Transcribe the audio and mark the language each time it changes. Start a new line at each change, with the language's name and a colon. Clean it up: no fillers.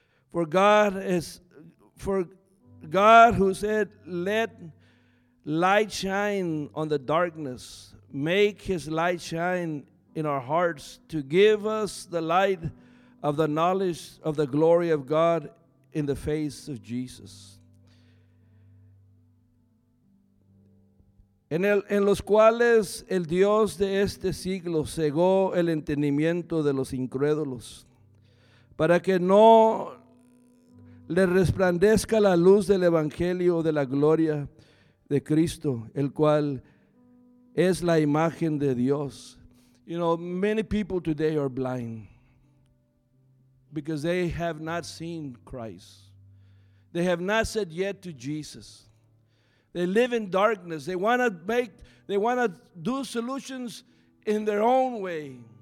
English: For God who said, 'Let light shine on the darkness,' make his light shine in our hearts to give us the light of the knowledge of the glory of God in the face of Jesus."
Spanish: En los cuales el Dios de este siglo cegó el entendimiento de los incrédulos, para que no le resplandezca la luz del Evangelio de la gloria de Cristo, el cual es la imagen de Dios.
English: You know, many people today are blind because they have not seen Christ. They have not said yet to Jesus. They live in darkness. They want to do solutions in their own way.